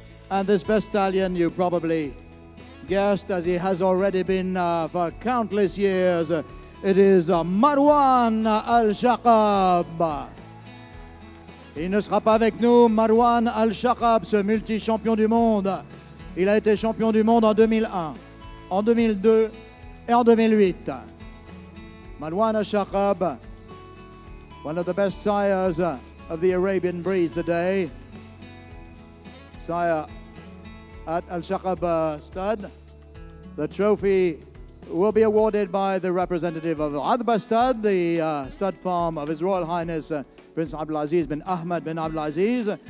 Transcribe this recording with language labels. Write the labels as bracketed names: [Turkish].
[English] And this best stallion, you probably guessed, as he has already been for countless years, it is Marwan Al-Shaqab. [French] Il ne sera pas avec nous, Marwan Al-Shaqab, ce multi-champion du monde. Il a été champion du monde en 2001, en 2002 et en 2008. [English] Marwan Al-Shaqab, one of the best sires of the Arabian breed today. Sire at Al-Shaqab Stud. The trophy will be awarded by the representative of Adba Stud, the stud farm of His Royal Highness Prince Abdelaziz bin Ahmed bin Abdelaziz.